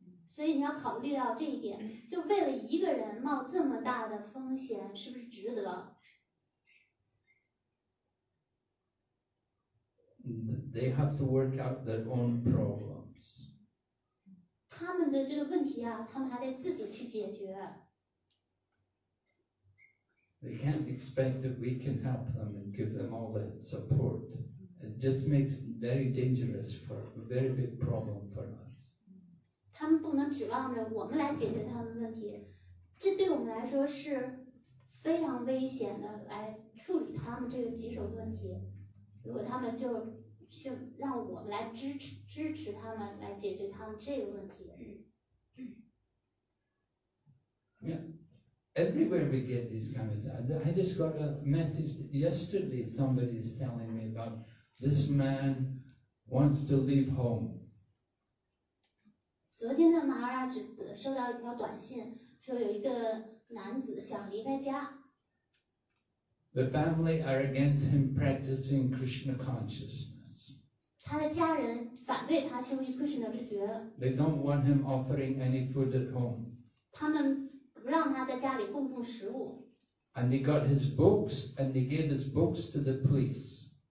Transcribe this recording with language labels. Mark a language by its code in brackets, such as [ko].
[zh] 所以你要考虑到这一点，就为了一个人冒这么大的风险，是不是值得？ [en] They have to work out their own problems. [zh] 他们的这个问题啊，他们还得自己去解决。 [en] They can't expect that we can help them and give them all the support. It just makes it very dangerous for a very big problem for us. [zh] 他们不能指望着我们来解决他们问题，这对我们来说是非常危险的，来处理他们这个棘手问题。如果他们就让我们来支持他们来解决他们这个问题。 [en] Everywhere we get these kind of things. I just got a message yesterday. Somebody is telling me about this man wants to leave home. [zh] 昨天的马拉只收到一条短信，说有一个男子想离开家。 [en] The family are against him practicing Krishna consciousness. [zh] 他的家人反对他修习 Krishna 之觉。 [en] They don't want him offering any food at home. [zh] 他们不让他在家里供奉食物。 [en] And he got his books, and he gave his books to the police.